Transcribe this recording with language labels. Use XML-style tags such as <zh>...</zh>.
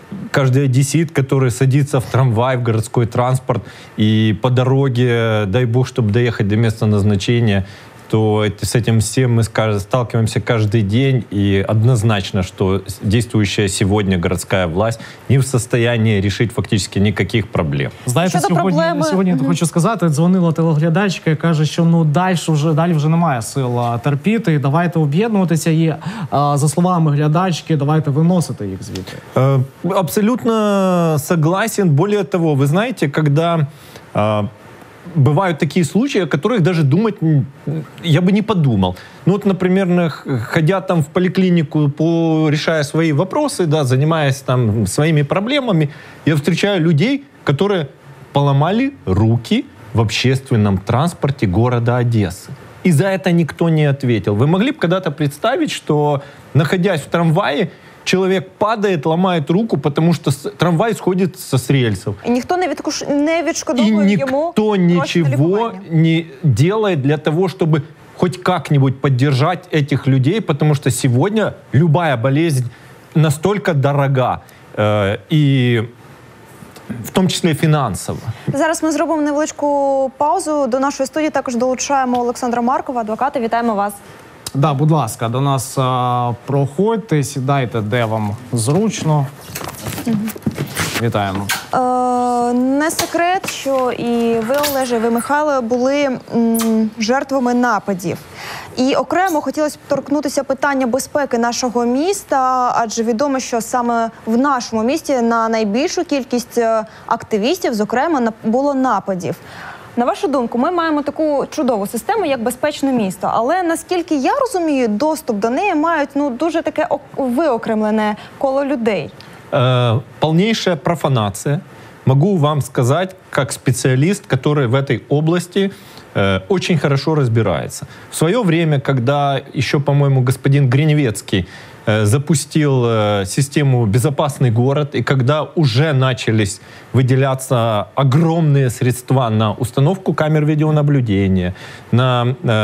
<ru>каждый одессит, который садится в трамвай, в городской транспорт и по дороге, дай бог, чтобы доехать до места назначения, то с этим всем мы сталкиваемся каждый день, и однозначно, что действующая сегодня городская власть не в состоянии решить фактически никаких проблем. Знаете, сегодня я хочу сказать, звонила</ru> <uk>телеглядачка и каже, что дальше уже немає сил терпіти, и давайте об'єднуватися, и за словами глядачки, давайте виносити їх звідти.</uk> <ru>Абсолютно согласен. Более того, вы знаете, когда... Бывают такие случаи, о которых даже думать я бы не подумал. Ну вот, например, ходя там в поликлинику, решая свои вопросы, да, занимаясь там своими проблемами, я встречаю людей, которые поломали руки в общественном транспорте города Одессы. И за это никто не ответил. Вы могли бы когда-то представить, что, находясь в трамвае, человек падает, ломает руку, потому что трамвай сходит со с рельсов. И никто не</ru> <uk>відшкодовує йому.</uk> <ru>Никто ничего не делает для того, чтобы хоть как-нибудь поддержать этих людей, потому что сегодня любая болезнь настолько дорога.</ru> <uk>И в тому числі фінансово. Зараз ми зробимо невеличку паузу. До нашої студії також долучаємо Олександра Маркова, адвоката. Вітаємо вас. Да, будь ласка, до нас проходьте, сідайте, де вам зручно. Угу. Вітаємо. Не секрет, що і ви, Олеже, і ви, Михайло, були жертвами нападів. І окремо хотілося б торкнутися питання безпеки нашого міста, адже відомо, що саме в нашому місті на найбільшу кількість активістів, зокрема, було нападів. На вашу думку, ми маємо таку чудову систему, як безпечне місто. Але, наскільки я розумію, доступ до неї мають дуже таке виокремлене коло людей. Повніша профанація. Могу вам сказати, як спеціаліст, який в цій області дуже добре розбирається. В своє час, коли ще, по-моєму,</uk> <ru>господин Гриневецький запустил систему «Безопасный город», и когда уже начались выделяться огромные средства на установку камер видеонаблюдения, на</ru>